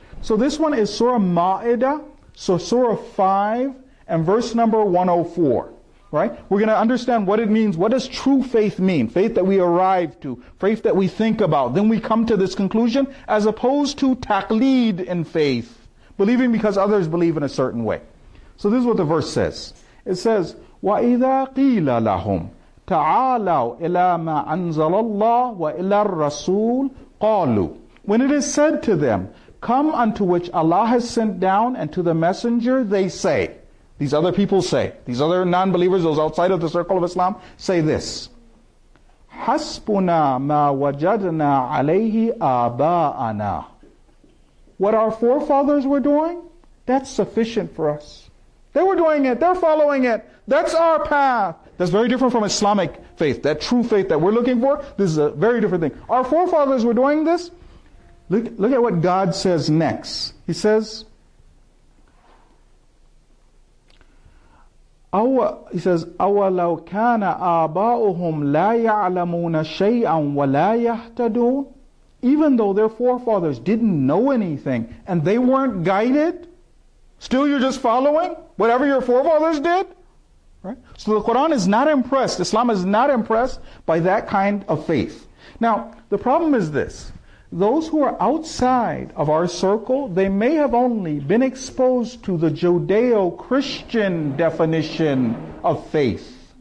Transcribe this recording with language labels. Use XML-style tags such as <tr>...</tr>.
<en>So this one is Surah Ma'idah, so Surah 5 and verse number 104. Right? We're going to understand what it means. What does true faith mean? Faith that we arrive to, faith that we think about. Then we come to this conclusion, as opposed to taqleed in faith, believing because others believe in a certain way. So this is what the verse says. It says,</en> <ar>وَإِذَا قِيلَ لَهُمْ تَعَالَوْا إِلَى مَا أَنزَلَ اللَّهُ وَإِلَى الرَّسُولِ قَالُوا.</ar> <en>When it is said to them, come unto which Allah has sent down and to the messenger, they say, these other people say, these other non-believers, those outside of the circle of Islam, say this,</en> <ar>حَسْبُنَا مَا وَجَدْنَا عَلَيْهِ آبَاءَنَا.</ar> <en>What our forefathers were doing, that's sufficient for us. They were doing it. They're following it. That's our path. That's very different from Islamic faith, that true faith that we're looking for. This is a very different thing. Our forefathers were doing this. Look at what God says next. He says,</en> <ar>أَوَلَوْ كَانَ آبَاؤُهُمْ لَا يَعْلَمُونَ شَيْئًا وَلَا يَهْتَدُونَ.</ar> <en>Even though their forefathers didn't know anything and they weren't guided, still you're just following whatever your forefathers did? Right? So the Quran is not impressed. Islam is not impressed by that kind of faith. Now, the problem is this. Those who are outside of our circle, they may have only been exposed to the Judeo-Christian definition of faith.</en>